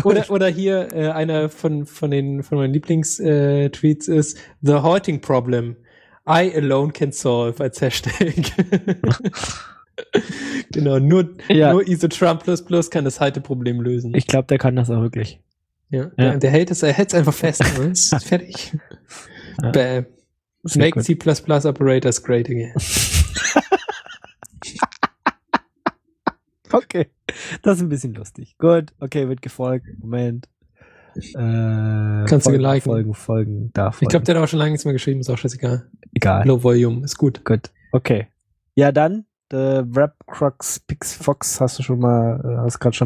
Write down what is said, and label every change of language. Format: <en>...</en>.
<de>Oder hier einer von meinen Lieblingstweets ist The Halting Problem.</de> <en>I alone can solve</en> <de>als Hashtag. Genau, nur ISO-Trump++ kann das Halteproblem lösen. Ich glaube, der kann das auch wirklich. Ja, ja. Er hält es einfach fest. Fertig. Ja. Bäm.</de> <en>Make C++ Operators great again.</en> <de>Okay, das ist ein bisschen lustig. Gut, okay, wird gefolgt. Moment. Kannst du liken. Folgen davon. Ich glaube, der hat auch schon lange nichts mehr geschrieben, ist auch scheißegal. Egal.</de> <en>Low Volume,</en> <de>ist gut. Gut, okay. Ja, dann. The Rap Crux Pix Fox hast du schon mal, hast gerade schon</de>